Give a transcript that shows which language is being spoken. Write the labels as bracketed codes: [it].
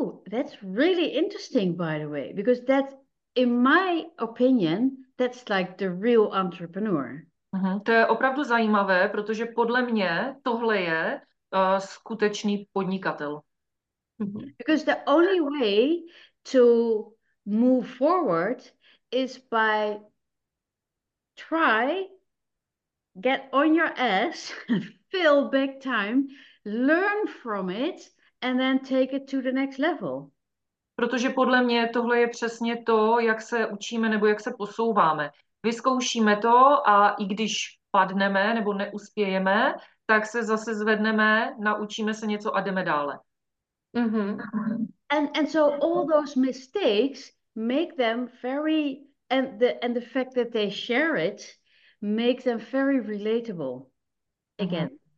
[en] That's really interesting, by the way, because that's, in my opinion, that's like the real entrepreneur. [cs] To je opravdu zajímavé, protože podle mě tohle je skutečný podnikatel. [en] Because the only way to move forward is by try, get on your ass, fail big time, learn from it, and then take it to the next level. [cs] Protože podle mě tohle je přesně to, jak se učíme nebo jak se posouváme. Vyzkoušíme to a i když padneme nebo neuspějeme, tak se zase zvedneme, naučíme se něco a jdeme dále. [en] And so all those mistakes make them very, and the fact that they share it makes them very relatable again.